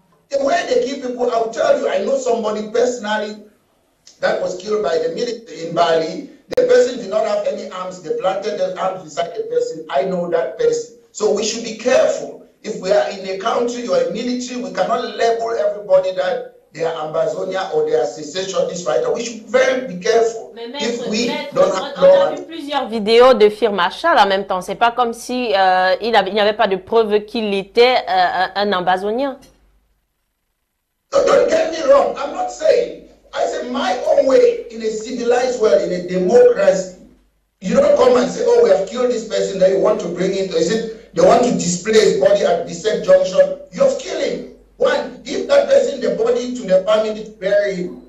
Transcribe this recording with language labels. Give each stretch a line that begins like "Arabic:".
English: The way they kill people, I'll tell you, I know somebody personally that was killed by the military in Bali. The person did not have any arms. They planted the arms inside the person. I know that person. So we should be careful. If we are in a country or a military, we cannot label everybody that they are Ambazonia or they are secessionist writer. We should very be careful.
French: On a vu plusieurs vidéos de Fir Machal en même temps. C'est pas comme si il n'y avait pas de preuve qu'il était un Ambazonien.
English: So don't get me wrong. I'm not saying. I said, my own way, in a civilized world, in a democracy, you don't come and say, oh, we have killed this person that you want to bring in. Is it they want to display his body at the same junction? You're killing. One, give that person the body to the family to bury him.